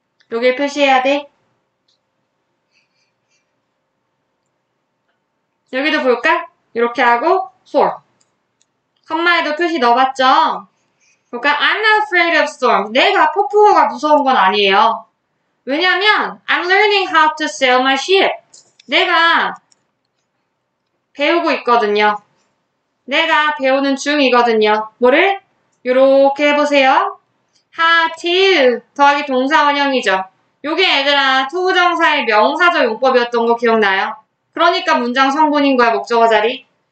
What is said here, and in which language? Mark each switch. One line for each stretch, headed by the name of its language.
Korean: 여기에 표시해야 돼. 여기도 볼까? 이렇게 하고, for. 컴마에도 표시 넣어봤죠? 볼까?
English: I'm not afraid of storm.
Korean: 내가 폭풍우가 무서운 건 아니에요. 왜냐면,
English: I'm learning how to sail my ship.
Korean: 내가, 배우고 있거든요. 내가 배우는 중이거든요. 뭐를? 요렇게 해보세요. How to 더하기 동사원형이죠. 요게 얘들아, 투부정사의 명사적 용법이었던 거 기억나요? 그러니까 문장 성분인 거야, 목적어 자리.